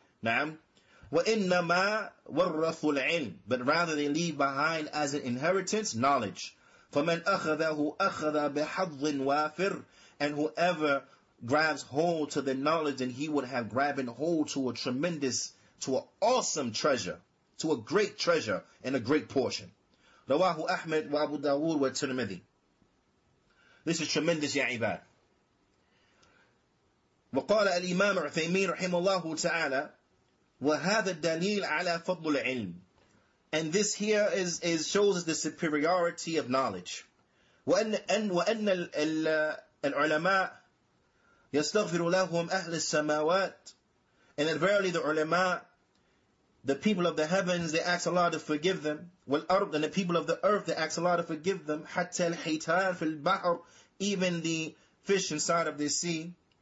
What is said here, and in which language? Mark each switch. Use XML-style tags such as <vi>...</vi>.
<en>Naam.</en> <ar>وَإِنَّمَا وَرَّثُوا الْعِلْمِ</ar> <en>But rather they leave behind as an inheritance, knowledge.</en> <ar>فَمَنْ أَخَذَهُ أَخَذَ بِحَظٍ وَافِرٍ</ar> <en>And whoever grabs hold to the knowledge, then he would have grabbing hold to a tremendous, to an awesome treasure. To a great treasure and a great portion.</en> <ar>رواه أحمد وابو داود والترمذي.</ar> <en>This is tremendous,</en> <ar>يا عباد. وقال الإمام عثيمين رحمه الله تعالى وهذا الدليل على فضل العلم.</ar> <en>And this here is shows the superiority of knowledge.</en> <ar>وأن العلماء يستغفر لهم أهل السماوات.</ar> <en>And that verily the ulama, the people of the heavens, they ask Allah to forgive them. والأرض, and the people of the earth, they ask Allah to forgive them.</en> <ar>حتى الحيتان في البحر,</ar> <en>even the fish inside of the sea.</en>